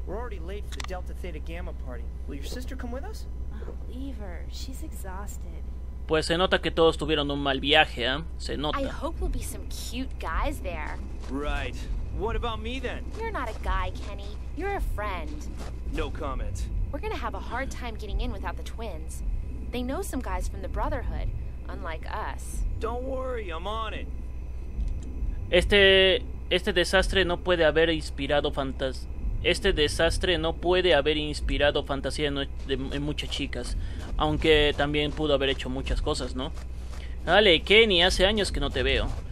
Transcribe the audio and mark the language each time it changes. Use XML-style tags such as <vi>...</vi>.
<en>We're already late for the Delta Theta Gamma party. Will your sister come with us? I'll leave her. She's exhausted.</en> <es>Pues se nota que todos tuvieron un mal viaje, ¿eh? Se nota.</es> <en>I hope we'll be some cute guys there. Right. What about me then? You're not a guy, Kenny. You're a friend. No comment. We're gonna have a hard time getting in without the twins. They know some guys from the Brotherhood, unlike us. Don't worry, I'm on it.</en> <es>Este desastre no puede haber inspirado Este desastre no puede haber inspirado fantasía en muchas chicas. Aunque también pudo haber hecho muchas cosas, ¿no? Dale, Kenny, hace años que no te veo.</es>